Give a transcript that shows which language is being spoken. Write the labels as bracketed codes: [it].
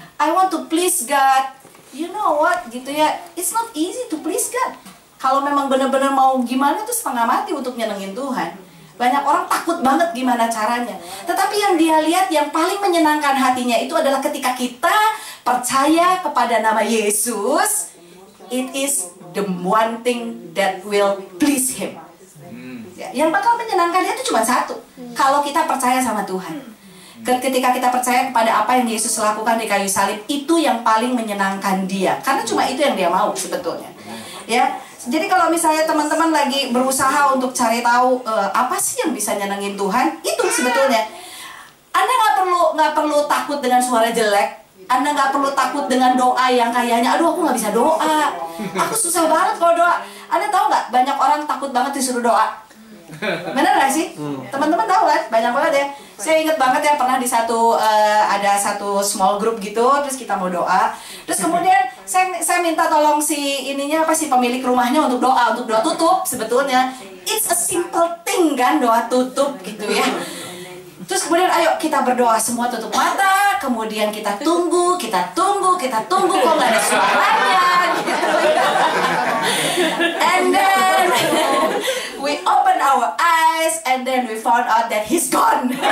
[en] I want to please God. You know what [id] gitu ya? [en] It's not easy to please God. [id] Kalau memang benar-benar mau gimana tuh setengah mati untuk nyenengin Tuhan. Banyak orang takut banget gimana caranya. Tetapi yang dia lihat yang paling menyenangkan hatinya itu adalah ketika kita percaya kepada nama Yesus, [en] it is the one thing that will please him. [id] Yang bakal menyenangkan dia itu cuma satu, kalau kita percaya sama Tuhan. Ketika kita percaya kepada apa yang Yesus lakukan di kayu salib, itu yang paling menyenangkan dia, karena cuma itu yang dia mau sebetulnya. Ya, jadi kalau misalnya teman-teman lagi berusaha untuk cari tahu apa sih yang bisa nyenengin Tuhan, itu sebetulnya Anda nggak perlu takut dengan suara jelek. Anda nggak perlu takut dengan doa yang kayaknya, aduh aku nggak bisa doa, aku susah banget kalau doa. Anda tahu nggak, banyak orang takut banget disuruh doa. Benar nggak sih? Teman-teman tahu kan, banyak banget ya. Saya ingat banget ya, pernah di satu, ada satu small group gitu, terus kita mau doa. Terus kemudian, saya minta tolong si ininya, apa sih, pemilik rumahnya untuk doa tutup sebetulnya. [en] It's a simple thing [id] kan, doa tutup gitu ya. Terus kemudian ayo kita berdoa, semua tutup mata, kemudian kita tunggu, kita tunggu, kita tunggu, kok gak ada suaranya gitu. [en] And then we open our eyes and then we found out that he's gone.